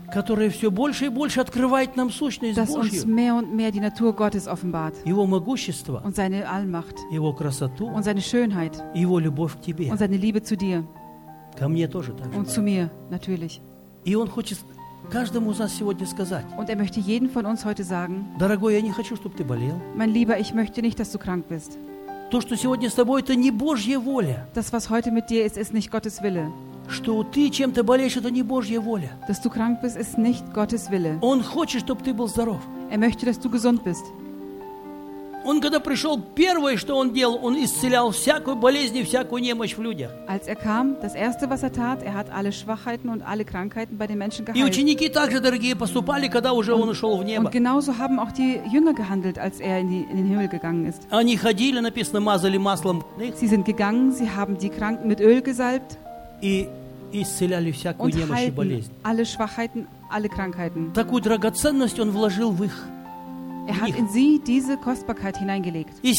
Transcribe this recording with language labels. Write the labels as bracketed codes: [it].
[ru] Которое все больше и больше открывает нам сущность Божью. [de] Das uns mehr und mehr die Natur Gottes offenbart. [ru] Его могущество. [de] Und seine Allmacht. [ru] Его красоту. [de] Und seine Schönheit. [ru] Его любовь к тебе. [de] Und seine Liebe zu dir. [ru] Ко мне тоже так же. [de] Und zu mir natürlich. [ru] И он хочет каждому из нас сегодня сказать. [de] Und er möchte jeden von uns heute sagen. [ru] Дорогой, я не хочу, чтобы ты болел. [de] Mein Lieber, ich möchte nicht, dass du krank bist. [ru] То, что сегодня с тобой, это не Божья воля. [de] Das, was heute mit dir ist, ist nicht Gottes Wille. [ru] Что ты чем-то болеешь, это не Божья воля. [de] Dass du krank bist, ist nicht Gottes Wille. [ru] Он хочет, чтобы ты был здоров. [de] Er möchte, dass du gesund bist. [ru] Он когда пришел, первое, что он делал, он исцелял всякую болезнь и всякую немощь в людях. [de] Als er kam, das erste, was er tat, er hat alle Schwachheiten und alle Krankheiten bei den Menschen geheilt. [ru] И ученики также, дорогие, поступали, когда уже он ушел в небо. [de] Und genauso haben auch die Jünger gehandelt, als er in den Himmel gegangen ist. [ru] Они ходили, написано, мазали маслом. [de] Sie sind gegangen, sie haben die Kranken mit Öl gesalbt. [ru] И исцеляли всякую немощь и болезнь. [de] Und heilten alle Schwachheiten, alle Krankheiten. [ru] Такую драгоценность он вложил в их. [de] Er hat in sie diese Kostbarkeit hineingelegt.